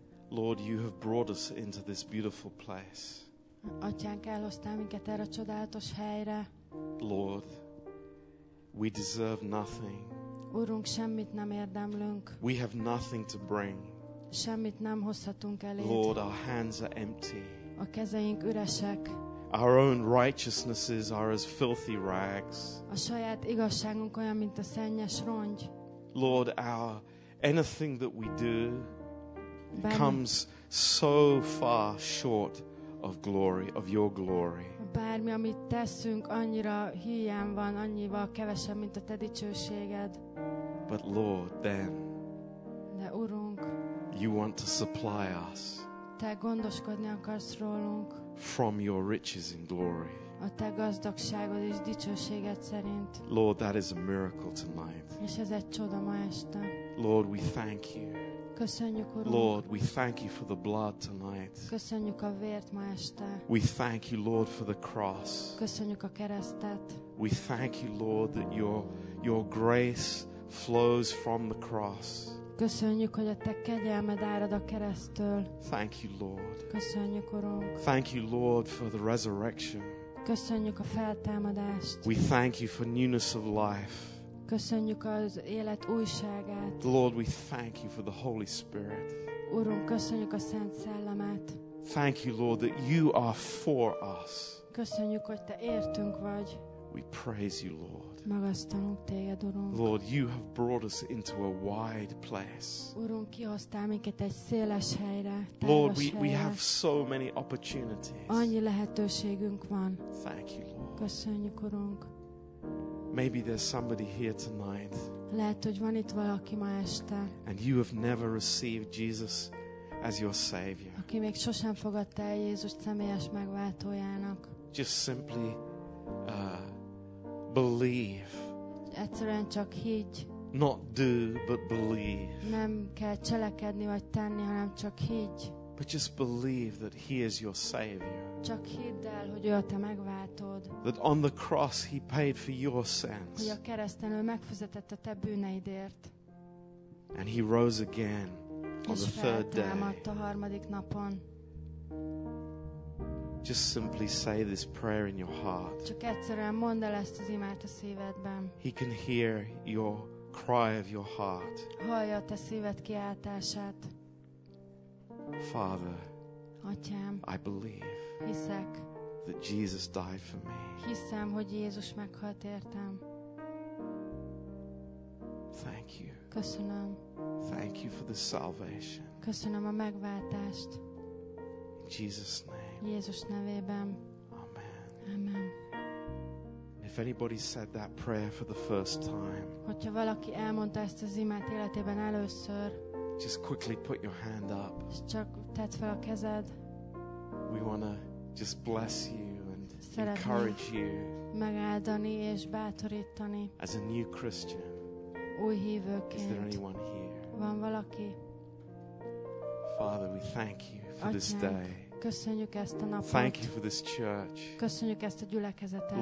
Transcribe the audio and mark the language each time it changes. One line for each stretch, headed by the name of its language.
English: Lord, you have brought us into this beautiful place.
Hungarian: Atyánk, elhoztál minket erre a csodálatos helyre.
English: Lord, we deserve nothing.
Hungarian: Urunk, semmit nem érdemlünk.
English: We have nothing to bring.
Hungarian: Semmit nem hozhatunk eléd.
English: Lord, our hands are empty.
Hungarian: A kezeink üresek.
English: Our own righteousnesses are as filthy rags.
Hungarian: A saját igazságunk olyan, mint a szennyes rongy.
English: Lord, our anything that we do comes so far short of glory, of your glory.
Hungarian: Bármi, amit teszünk, annyira hiány van, annyival kevesebb, mint a te dicsőséged.
English: But Lord, then,
Hungarian: de Urunk,
English: you want to supply us,
Hungarian: te gondoskodni akarsz rólunk,
English: from your riches in glory,
Hungarian: a te gazdagságod és dicsőséged szerint.
English: Lord, that is a miracle tonight.
Hungarian: És ez egy csoda ma este.
English: Lord, we thank you.
Hungarian: Köszönjük, Urunk.
English: Lord, we thank you for the blood tonight.
Hungarian: Köszönjük a vért ma este.
English: We thank you, Lord, for the cross.
Hungarian: Köszönjük a keresztet.
English: We thank you, Lord, that your grace flows from the cross.
Hungarian: Köszönjük, hogy a te kegyelmed árad a keresztől.
English: Thank you, Lord.
Hungarian: Köszönjük, Urunk.
English: Thank you, Lord, for the resurrection.
Hungarian: Köszönjük a feltámadást.
English: We thank you for newness of life.
Hungarian: Köszönjük az élet újságát.
English: Lord, we thank you for the Holy Spirit.
Hungarian: Urunk, köszönjük a Szent Szellemet.
English: Thank you, Lord, that you are for us.
Hungarian: Köszönjük, hogy te értünk vagy.
English: We praise you, Lord.
Hungarian: Magasztalunk téged, Urunk.
English: Lord, you have brought us into a wide place.
Hungarian: Urunk, kihoztál minket egy széles helyre.
English: Lord, we have so many opportunities.
Hungarian: Annyi lehetőségünk van.
English: Thank you, Lord.
Hungarian: Köszönjük, Urunk.
English: Maybe there's somebody here tonight.
Hungarian: Lehet, hogy van itt valaki ma este.
English: And you have never received Jesus as your savior.
Hungarian: Aki még sosem fogadta el Jézust személyes megváltójának.
English: Just simply believe.
Hungarian: Egyszerűen csak higgy.
English: Not do, but believe.
Hungarian: Nem kell cselekedni vagy tenni, hanem csak higgy.
English: But just believe that he is your savior.
Hungarian: Csak hidd el, hogy ő a te megváltód.
English: That on the cross he paid for your sins.
Hungarian: Hogy a kereszten ő megfizetett a te bűneidért.
English: And he rose again on the third day.
Hungarian: És feltámadt a harmadik napon.
English: Just simply say this prayer in your heart.
Hungarian: Csak egyszerűen mondd el ezt az imát a szívedben.
English: He can hear your cry of your heart.
Hungarian: Hallja a te szíved kiáltását.
English: Father,
Hungarian: Atyám,
English: I believe
Hungarian: hiszek,
English: that Jesus died for me.
Hungarian: Hiszem, hogy Jézus meghalt értem.
English: Thank you.
Hungarian: Köszönöm.
English: Thank you for the salvation.
Hungarian: Köszönöm a megváltást.
English: In Jesus' name.
Hungarian: Jézus nevében. Amen. Amen.
English: If anybody said that prayer for the first time,
Hungarian: hogyha valaki elmondta ezt az imát életében először,
English: just quickly put your hand up.
Hungarian: Csak tedd fel a kezed.
English: We want to just bless you and encourage you.
Hungarian: Megáldani és bátorítani.
English: As a new Christian.
Hungarian: Új hívőként.
English: Is there anyone here?
Hungarian: Van valaki?
English: Father, we thank you for
Hungarian: Atyánk,
English: this day.
Hungarian: Köszönjük ezt a napot.
English: Thank you for this church.
Hungarian: Köszönjük ezt a gyülekezetet.